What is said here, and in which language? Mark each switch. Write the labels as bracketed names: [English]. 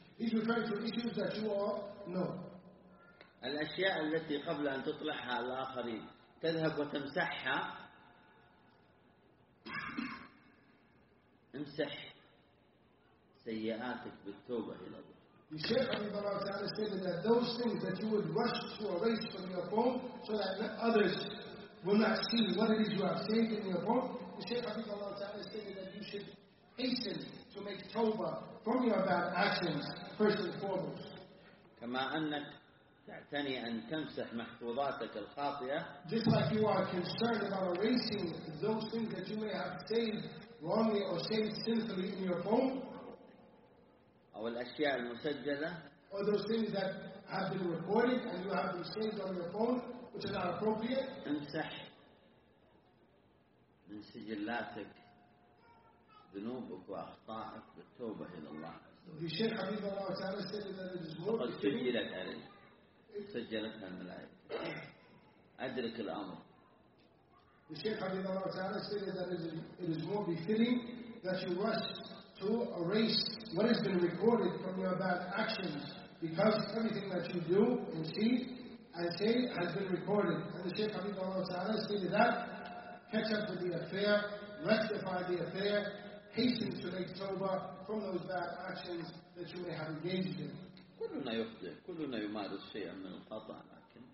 [English] He's referring to issues that you all know. [Arabic] الأشياء التي قبل أن تطلعها على الآخرين تذهب وتمسحها. امسح سيئاتك بالتوبة إلى الله. [English] The Shaykh Habibullah Ta'ala stated that those things that you would rush to erase from your phone so that others will not see what it is you have saved in your phone, the Shaykh Habibullah Ta'ala stated that you should hasten to make tawbah from your bad actions first and foremost. [Arabic] كما أنك تعتني أن تمسح محفوظاتك الخاطئة. [English] Just like you are concerned about erasing those things that you may have saved wrongly or saved sinfully in your phone, [Arabic] أو الأشياء المسجلة. [English] Or those things that have been recorded and you have been saved on your phone, which is not appropriate. [Arabic] امسح من سجلاتك ذنوبك وأخطائك بالتوبة إلى الله. [English] The Shaykh Habibullah Ta'ala said that it is more. [Arabic] فقد سجلت عليك. سجلتها الملائكة. أدرك الأمر. [English] The Shaykh Habibullah Ta'ala said that it is more befitting that you rush to erase what has been recorded from your bad actions, because everything that you do and see and say has been recorded. And the Shaykh Habibullah Ta'ala stated that, catch up with the affair, rectify the affair, hasten to make tawbah from those bad actions that you may have engaged in. [Arabic] كلنا يخطئ، كلنا يمارس شيئا من الخطأ، لكن